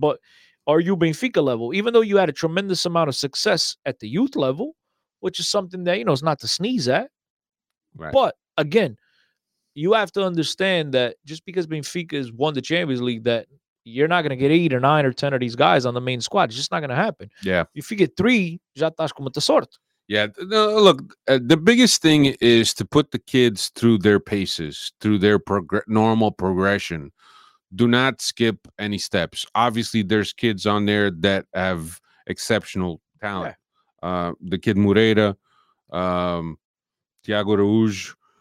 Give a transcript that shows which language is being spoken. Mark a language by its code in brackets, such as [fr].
[en] But are you Benfica level? Even though you had a tremendous amount of success at the youth level, which is something that, you know, it's not to sneeze at. Right. But again, you have to understand that just because Benfica has won the Champions League, that you're not going to get 8 or 9 or 10 of these guys on the main squad. It's just not going to happen. Yeah. If you get 3, [pt] já estás com muita sorte. [en] Yeah. No, look, the biggest thing is to put the kids through their paces, through their normal progression. Do not skip any steps. Obviously, there's kids on there that have exceptional talent. Yeah. The kid Moreira, Thiago Araújo.